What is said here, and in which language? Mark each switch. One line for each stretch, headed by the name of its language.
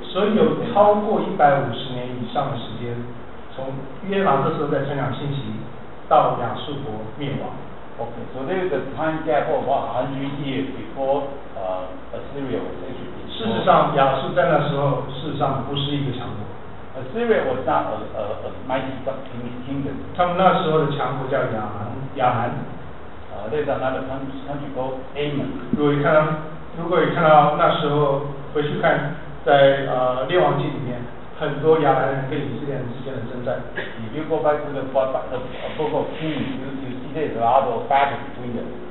Chinese: 所以有超过一百五十年以上的时间，从约拿这时候在传讲信息，到亚述国灭亡。
English: Okay, so there is a time gap of about 100 years before Assyria was actually destroyed.
Chinese: 事实上，亚述在那时候事实上不是一个强国。
English: Assyria was not a mighty kingdom.
Chinese: 他们那时候的强国叫亚兰。
English: There's another country called Ammon.
Chinese: 如果你看到那时候回去看，在列王记里面，很多亚兰人跟以色列人之间的征战。
English: If you go back to the book of Kings, you see there's a lot of battle between them.